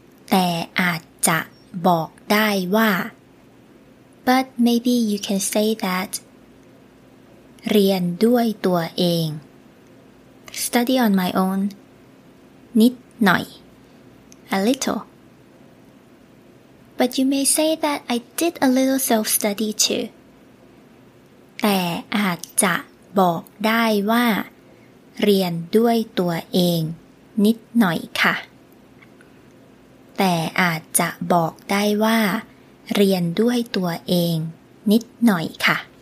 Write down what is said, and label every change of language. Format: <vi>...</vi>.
<th>แต่อาจจะบอกได้ว่า</th> <en>but maybe you can say that</en> <th>เรียนด้วยตัวเอง</th> <en>study on my own</en> <th>นิดหน่อย</th> <en>A little. But you may say that I did a little self-study too.</en> <th>แต่อาจจะบอกได้ว่าเรียนด้วยตัวเองนิดหน่อยค่ะแต่อาจจะบอกได้ว่าเรียนด้วยตัวเองนิดหน่อยค่ะ</th>